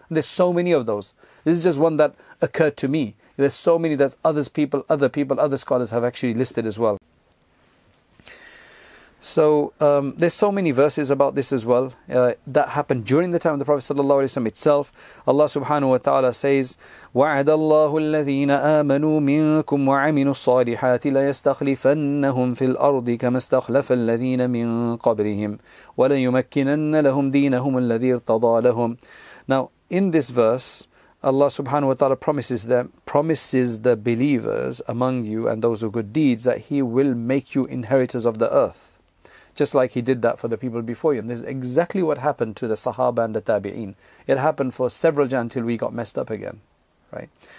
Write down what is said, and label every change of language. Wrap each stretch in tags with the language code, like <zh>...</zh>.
<en>And there's so many of those. This is just one that occurred to me. There's so many that other scholars have actually listed as well. So there's so many verses about this as well. That happened during the time of the Prophet sallallahu alaihi wasallam itself. Allah subhanahu wa ta'ala says,</en> <ar>وَعَدَ اللَّهُ الَّذِينَ آمَنُوا مِنْكُمْ وَعَمِنُوا الصَّالِحَاتِ لَيَسْتَخْلِفَنَّهُمْ فِي الْأَرْضِ كَمَا اسْتَخْلَفَ الَّذِينَ مِنْ قَبْرِهِمْ وَلَيُمَكِّنَنَّ لَهُمْ دِينَهُمُ الَّذِي ارْتَضَى لَهُمْ.</ar> <en>Now, in this verse, Allah subhanahu wa ta'ala promises the believers among you and those of good deeds that He will make you inheritors of the earth. Just like He did that for the people before you. And this is exactly what happened to the Sahaba and the Tabi'een. It happened for several generations until we got messed up again. Right?</en>